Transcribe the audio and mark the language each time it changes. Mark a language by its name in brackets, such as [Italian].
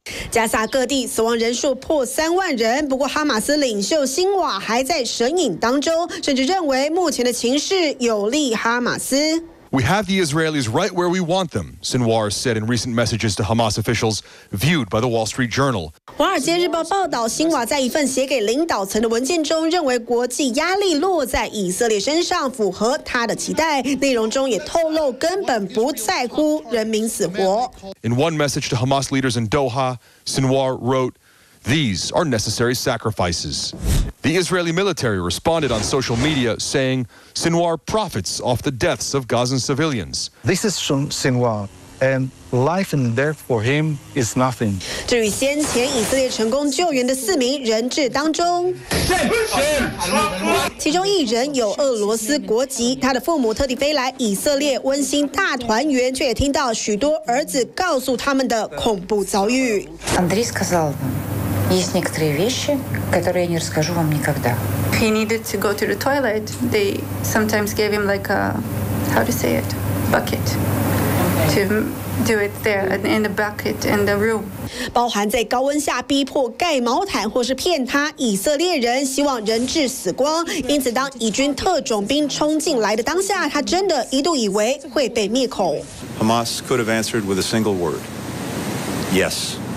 [Chinese] 加萨各地死亡人数破30,000人，不过哈马斯领袖辛瓦还在神隐当中，甚至认为目前的情势有利哈马斯。 [English] We have the Israelis right where we want them, Sinwar said in recent messages to Hamas officials viewed by the Wall Street Journal. [Chinese] 华尔街日报报道，辛瓦在一份写给领导层的文件中认为国际压力落在以色列身上符合他的期待，内容中也透露根本不在乎人民死活。 [English] In one message to Hamas leaders in Doha, Sinwar wrote, These are necessary sacrifices. The Israeli military responded on social media saying, Sinwar profits off the deaths of Gazan civilians. This is Sinwar, and life and death for him is nothing. [Chinese] 至于先前以色列成功救援的四名人质当中，其中一人有俄罗斯国籍，他的父母特地飞来以色列温馨大团圆，却也听到许多儿子告诉他们的恐怖遭遇。 [Russian] Андрей сказал вам, есть некоторые вещи, которые я не расскажу вам никогда. [English] He needed to go to the toilet. They sometimes gave him like a, how to say it, bucket. to do it there in the bucket in the room. [Chinese] 包含在高温下逼迫盖毛毯或是骗他以色列人希望人质死光，因此当以军特种兵冲进来的当下，他真的一度以为会被灭口。 [English] Hamas could have answered with a single word, yes.